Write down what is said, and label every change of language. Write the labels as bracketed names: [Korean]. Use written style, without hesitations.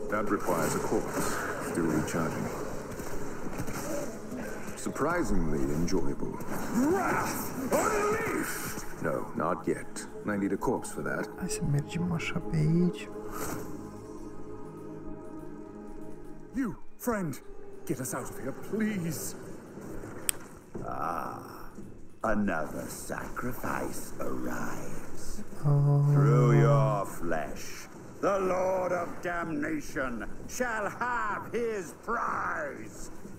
[English] That requires a corpse, still recharging. Surprisingly enjoyable. Wrath unleashed! No, not yet. I need a corpse for that. [Romanian] Hai să mergem așa pe aici. [English] You, friend, get us out of here, please! Ah, another sacrifice arrives. Through your flesh, the Lord of Damnation shall have his prize.